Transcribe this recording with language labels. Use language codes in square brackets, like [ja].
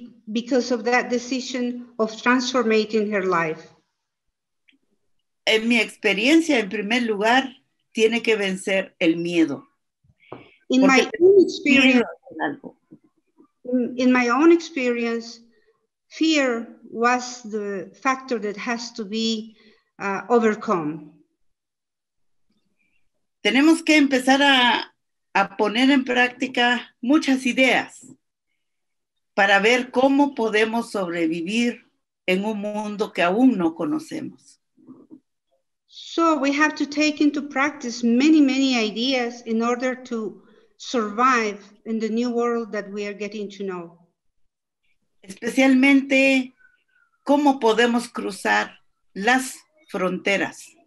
[en] Because of that decision of transforming her life. [es] En mi experiencia, en primer lugar, tiene que vencer el miedo. [en] In my own experience, fear was the factor that has to be overcome. [es] Tenemos que empezar a poner en práctica muchas ideas para ver cómo podemos sobrevivir en un mundo que aún no conocemos. [en] So we have to take into practice many, many ideas in order to survive in the new world that we are getting to know. [es] Especialmente, cómo podemos cruzar las fronteras.